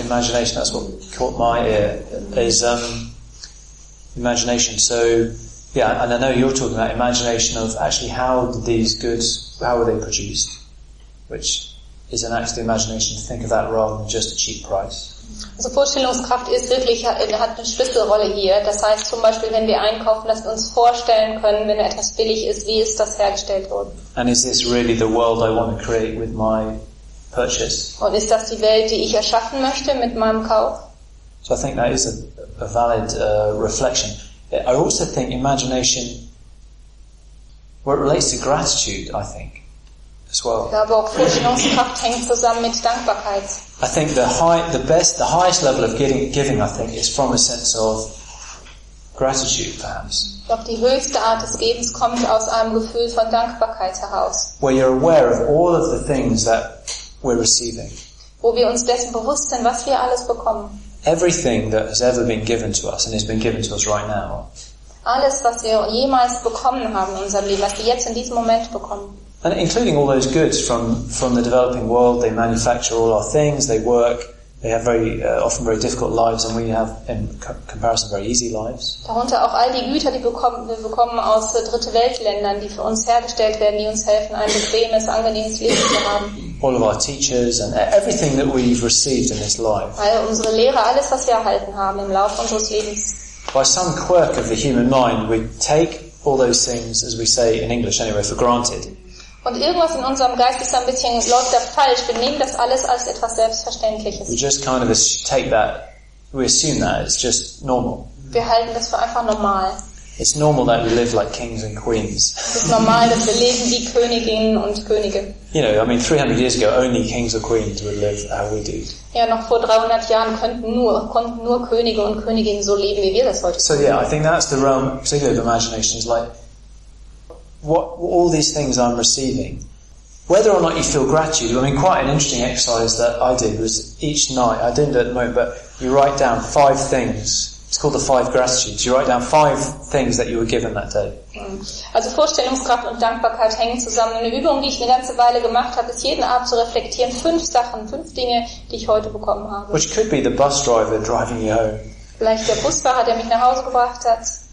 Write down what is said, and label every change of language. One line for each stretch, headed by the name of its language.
English: Imagination, that's what caught my ear, is imagination. So, yeah, and I know you're talking about imagination of actually how did these goods, how were they produced, which is an act of imagination to think of that rather than just a cheap price.
German: Also Vorstellungskraft ist wirklich, hat eine Schlüsselrolle hier. Das heißt zum Beispiel, wenn wir einkaufen, dass wir uns vorstellen können, wenn etwas billig ist, wie ist das hergestellt worden?
English: And is this really the world I want to create with my purchase?
German: Und ist das die Welt, die ich erschaffen möchte mit meinem Kauf?
English: So I think that is a valid reflection. I also think imagination, well, it relates to gratitude, I think, as well. I think the highest level of giving, I think, is from a sense of gratitude, perhaps.
German: Doch die höchste Art des Gebens kommt aus einem Gefühl von Dankbarkeit heraus.
English: Where you're aware of all of the things that we're receiving.
German: Wo wir uns dessen bewusst sind, was wir alles bekommen.
English: Everything that has ever been given to us and has been given to us right now.
German: Alles, was wir jemals bekommen haben in unserem Leben, was wir jetzt in diesem Moment bekommen.
English: And including all those goods from the developing world, they manufacture all our things, they work, they have very often very difficult lives, and we have in comparison very easy lives.
German: Darunter auch all die Güter, die wir bekommen aus dritte Weltländern, die für uns hergestellt werden, die uns helfen, ein bequemes, angenehmes Leben zu haben.
English: All of our teachers and everything that we've received in this life.
German: All unsere Lehre, alles, was wir erhalten haben im Laufe unseres Lebens.
English: By some quirk of the human mind, we take all those things, as we say in English anyway, for granted.
German: Und irgendwas in unserem Geist ist ein bisschen läuft da falsch. Wir nehmen das alles als etwas Selbstverständliches.
English: We just kind of take that, we assume that it's just normal.
German: Wir halten das für einfach normal.
English: It's normal that we live like kings and queens.
German: Es ist normal, dass wir leben wie Königinnen und Könige.
English: You know, I mean, 300 years ago, only kings or queens would live how we do.
German: Ja, noch vor 300 Jahren konnten nur Könige und Königinnen so leben, wie wir das heute tun.
English: So yeah, I think that's the realm, particularly of imagination, is like, what all these things I'm receiving, whether or not you feel gratitude. I mean, quite an interesting exercise that I did was each night, I didn't do it at the moment, but you write down five things. It's called the five gratitudes. You write down five things that you were given that day.
German: Also Vorstellungskraft und Dankbarkeit hängen zusammen. Eine Übung, die ich eine ganze Weile gemacht habe, ist jeden Abend zu reflektieren, fünf Dinge, die ich heute bekommen habe.
English: Which could be the bus driver driving you home.
German: Vielleicht der Busfahrer, der mich nach Hause gebracht hat.